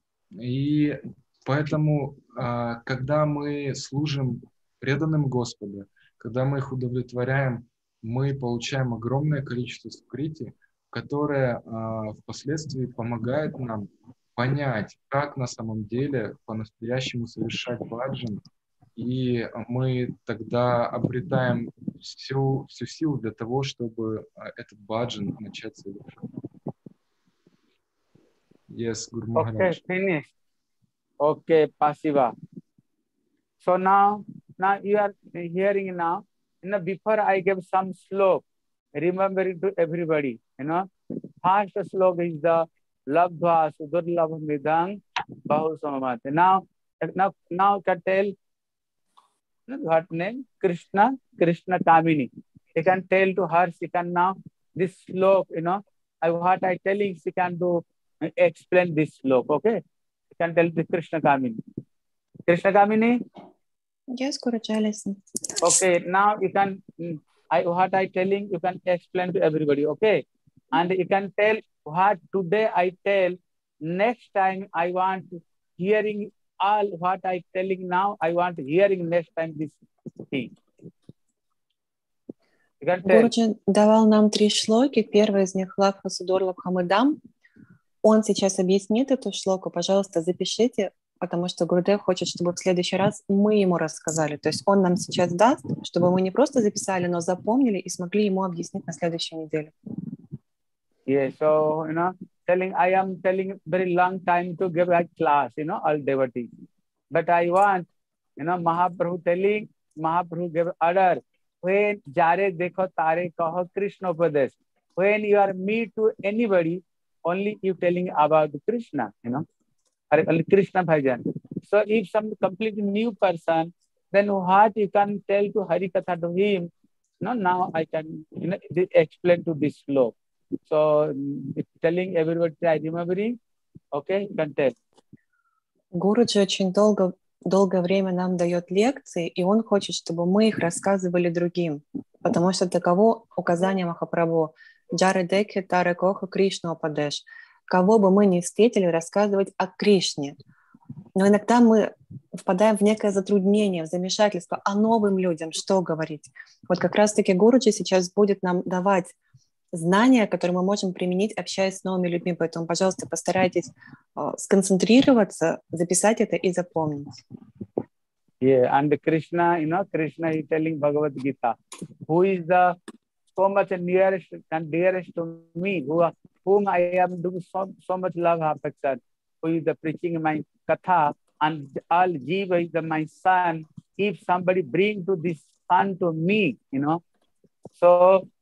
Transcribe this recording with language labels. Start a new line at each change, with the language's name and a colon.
Russian: И поэтому, когда мы служим преданным Господу, когда мы их удовлетворяем, мы получаем огромное количество сукрити, которое впоследствии помогает нам понять, как на самом деле по-настоящему совершать баджан. И мы тогда обретаем всю силу для того, чтобы этот баджан начать совершать.
English: Yes, Гуру Махарадж. Okay, finish. Okay,
Russian: спасибо.
English: So now you are hearing now. You know, before I give some sloka, remember it to everybody. You know, first sloka is the
Sanskrit: Labdhva Sudurlabha Midang Bahu Samamati.
English: Now can tell what name? Krishna Kamini. You can tell to her, she can now, this sloka, you know, what I telling, she can do, explain this sloka, okay? Can tell the Krishna Kamini. Krishna Kamini? Yes, Guruji, listen. Okay, now you can, what I telling, you can explain to everybody, okay? And you can tell what today I tell, next time I want hearing all what I telling now, I want hearing next time this thing. You can tell.
Russian: Guruji давал нам три шлоки, первый из них Лабха Судурлабха Мидам. Он сейчас объяснит эту шлоку, пожалуйста, запишите, потому что Гурудев хочет, чтобы в следующий раз мы ему рассказали. То есть он нам сейчас даст, чтобы мы не просто записали, но запомнили и смогли ему объяснить на следующей неделе.
English: Yeah, so, you know, I am telling very long time to give a class, you know, all devotees. But I want, you know, Mahaprabhu telling, Mahaprabhu give order, when
Bangla: jare dekho tare kaho Krishna upadesh,
English: when you are meet to anybody, only you telling about Krishna, you know, or only Krishna bhajan. So if some completely new person, then what you can tell to Harikatha to him, no, now I can, you know, explain to this slope. So telling everybody, I remembering, okay, you can tell.
Russian: Guruji очень долгое время нам дает лекции, и он хочет, чтобы мы их рассказывали другим, потому что таково указание Махапрабху.
Bangla: Джаре декхе таре кохо Кришну опадеш.
Russian: Кого бы мы ни встретили, рассказывать о Кришне. Но иногда мы впадаем в некое затруднение, в замешательство, а новым людям что говорить? Вот как раз-таки Гуруджи сейчас будет нам давать знания, которые мы можем применить, общаясь с новыми людьми. Поэтому, пожалуйста, постарайтесь сконцентрироваться, записать это и запомнить.
English: Yeah, and Krishna, you know, Krishna is telling Bhagavad Gita. Who is the so much nearest and dearest to me, whom I am doing so much love, affection, who is the preaching my katha, and all jiva is my son, if somebody bring to this son to me, you know, so